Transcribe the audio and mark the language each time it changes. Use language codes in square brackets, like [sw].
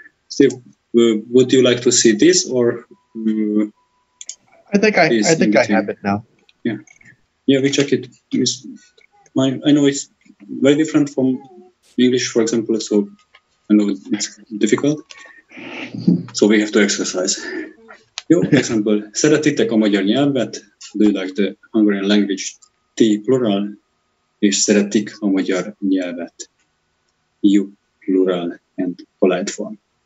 [en] Steve, would you like to see this or? I think I have it now. Yeah, we check it. I know it's very different from English, for example, so I know it's difficult. So we have to exercise. [hu] Jó, example, szeretitek a magyar nyelvet? [en] Do you like the Hungarian language? [hu] T plural, és szeretik a magyar nyelvet. [en] You plural and polite form.